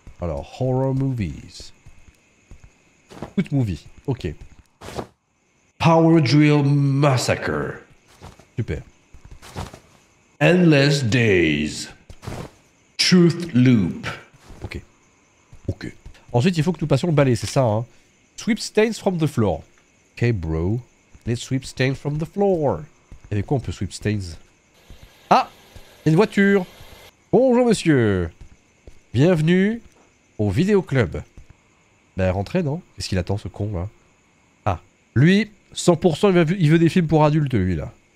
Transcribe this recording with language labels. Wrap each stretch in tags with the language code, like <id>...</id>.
<en>Alors, horror movies. Foot movie, ok. Power Drill Massacre. Super. Endless Days. Truth Loop. Ok. Ok.</en> <fr>Ensuite, il faut que nous passions le balai, c'est ça, hein.</fr> <en>Sweep stains from the floor. Ok, bro. Let's sweep stains from the floor.</en> <fr>Et avec quoi on peut</fr> <en>sweep stains?</en> <fr>Ah! Il y a une voiture! Bonjour, monsieur! Bienvenue au Vidéo Club. Ben, rentrez, non? Qu'est-ce qu'il attend, ce con, là? Ah. Lui, 100%, il veut des films pour adultes, lui, là.</fr>